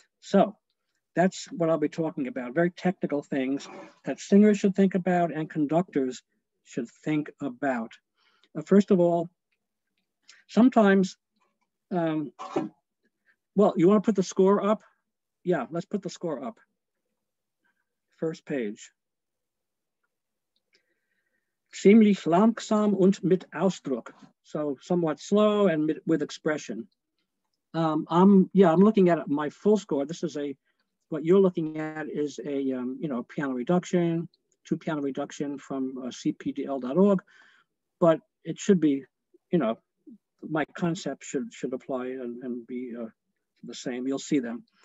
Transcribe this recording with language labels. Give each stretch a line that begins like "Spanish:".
English: So that's what I'll be talking about, very technical things that singers should think about and conductors should think about. First of all, sometimes, you want to put the score up? Yeah, let's put the score up. First page.
German: Ziemlich langsam und mit Ausdruck.
English: So somewhat slow and with expression. I'm looking at my full score. This is what you're looking at is a, piano reduction, two piano reduction from cpdl.org, but it should be, my concept should apply and be the same. You'll see them.